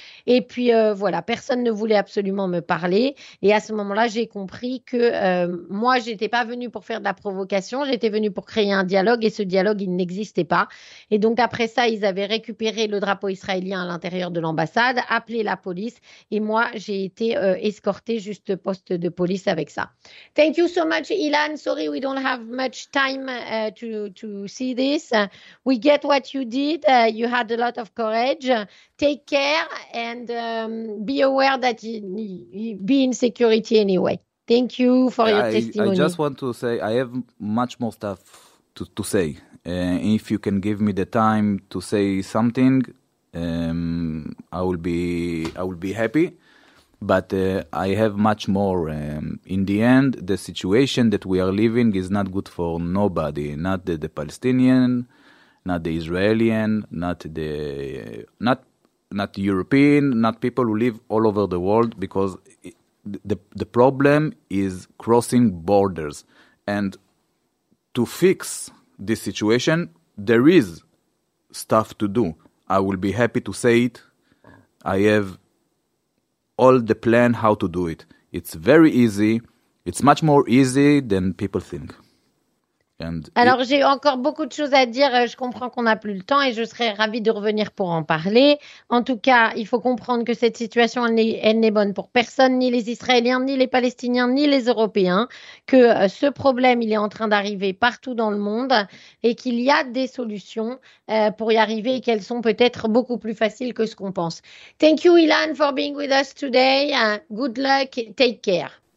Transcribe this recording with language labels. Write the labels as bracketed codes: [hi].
[fr] Et puis, voilà, personne ne voulait absolument me parler. Et à ce moment-là, j'ai compris que moi, je n'étais pas venue pour faire de la provocation. J'étais venue pour créer un dialogue, et ce dialogue, il n'existait pas. Et donc, après ça, ils avaient récupéré le drapeau israélien à l'intérieur de l'ambassade, appelé la police. Et moi, j'ai été escortée juste au poste de police avec ça. [en] Thank you so much, Ilan. Sorry, we don't have much time to see this. We get what you did. You had a lot of courage. Take care and be aware that you be in security anyway. Thank you for your testimony. I just want to say I have much more stuff to say. If you can give me the time to say something, I will be happy. But I have much more. In the end, the situation that we are living is not good for nobody. Not the Palestinian, not the Israeli, not European, not people who live all over the world, because the problem is crossing borders. And to fix this situation, there is stuff to do. I will be happy to say it. I have all the plan how to do it. It's very easy. It's much more easy than people think. [fr] Alors j'ai encore beaucoup de choses à dire, je comprends qu'on n'a plus le temps et je serais ravie de revenir pour en parler. En tout cas, il faut comprendre que cette situation, elle n'est bonne pour personne, ni les Israéliens, ni les Palestiniens, ni les Européens, que ce problème, il est en train d'arriver partout dans le monde et qu'il y a des solutions pour y arriver et qu'elles sont peut-être beaucoup plus faciles que ce qu'on pense. [en] Thank you, Ilan, for being with us today. Good luck, take care.